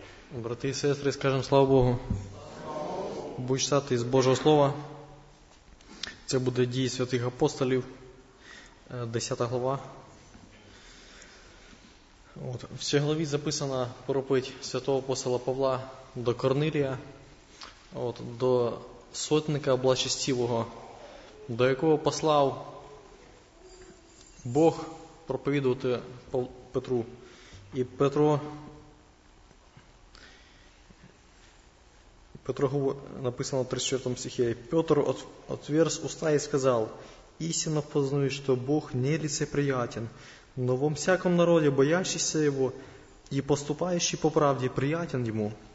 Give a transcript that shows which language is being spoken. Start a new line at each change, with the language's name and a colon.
Russian: Братья и сестры, скажем слава Богу. Будь читати из Божьего Слова.
Ukrainian: Це буде Дії святих апостолів, 10 глава. От, в цій главі записана проповідь святого апостола Павла до Корнилія, от, до сотника благочестивого, до якого послав Бог проповідувати Петру. І Петро написано в 34 стихе,
Russian: Петр отверз уста и сказал, истинно познаю, что Бог не лицеприятен, но во всяком народе, боящийся Его и поступающий по правде, приятен Ему.